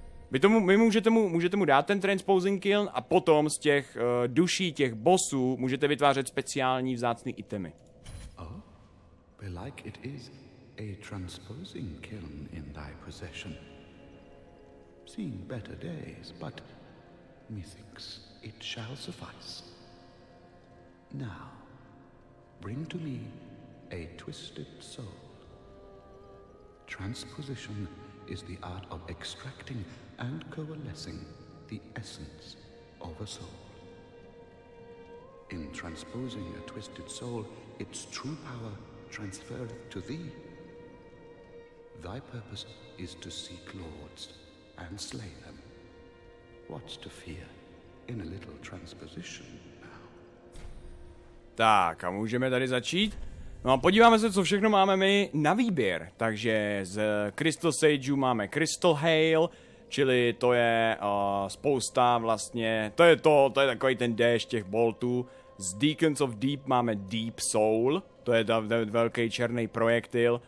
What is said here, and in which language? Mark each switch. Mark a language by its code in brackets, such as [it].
[cs] Vy můžete mu dát ten Transposing Kill a potom z těch duší těch bossů můžete vytvářet speciální vzácný itemy. [en] Oh, belike it is a transposing kiln in thy possession. Seeing better days, but methinks it shall suffice. Now, bring to me a twisted soul. Transposition is the art of extracting and coalescing the essence of a soul. In transposing a twisted soul, its true power transferreth to thee. Thy purpose is to seek lords and slay them. What's to fear in a little transposition now? [cs] Tak, a můžeme tady začít? No a podíváme se, co všechno máme my na výběr. Takže z Crystal Sageů máme Crystal Hail, čili to je spousta vlastně, to je takový ten déšť těch boltů. Z Deacons of Deep máme Deep Soul, to je ten velký černý projektil.